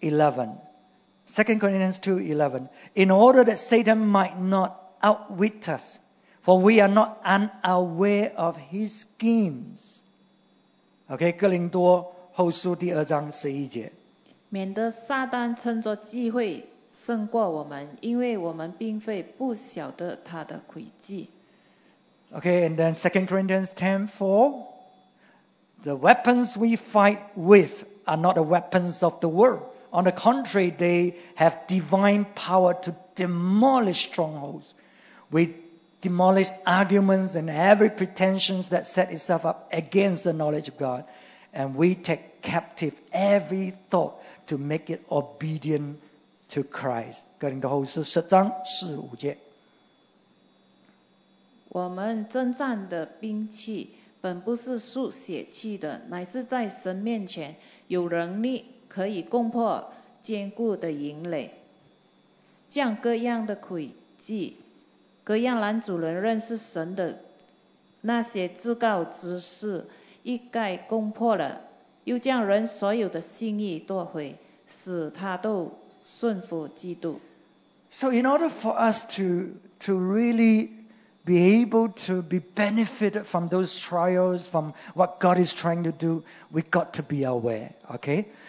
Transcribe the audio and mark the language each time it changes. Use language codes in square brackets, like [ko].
[en] 2 Corinthians 2:11 In order that Satan might not outwit us, for we are not unaware of his schemes. [zh] OK, 哥林多后书第二章十一节，免得撒旦趁着机会胜过我们，因为我们并非不晓得他的诡计。 [en] Okay, and then 2 Corinthians 10:4 The weapons we fight with are not the weapons of the world. On the contrary, they have divine power to demolish strongholds. We demolish arguments and every pretensions that set itself up against the knowledge of God. And we take captive every thought to make it obedient to Christ. [zh] 哥林多后书十章四五节，我们征战的兵器本不是属血气的，乃是在神面前有能力可以攻破坚固的营垒，将各样的诡计，各样男主人认识神的那些至高之事一概攻破了，又将人所有的心意夺回，使他都顺服基督。 [en] So in order for us to really be able to be benefited from those trials, from what God is trying to do, we got to be aware, okay?